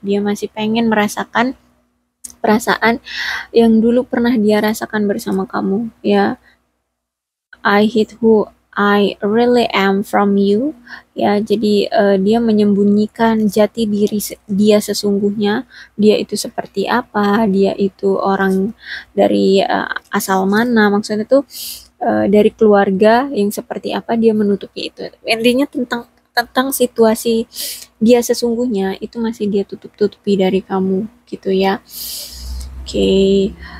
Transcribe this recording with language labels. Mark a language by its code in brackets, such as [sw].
[id] Dia masih pengen merasakan perasaan yang dulu pernah dia rasakan bersama kamu ya. [en] I hate who I really am from you ya. [id] Jadi dia menyembunyikan jati diri dia sesungguhnya. Dia itu seperti apa? Dia itu orang dari asal mana? Maksudnya tuh dari keluarga yang seperti apa, dia menutupi itu. Intinya tentang situasi dia sesungguhnya itu masih dia tutupi dari kamu gitu ya. Oke.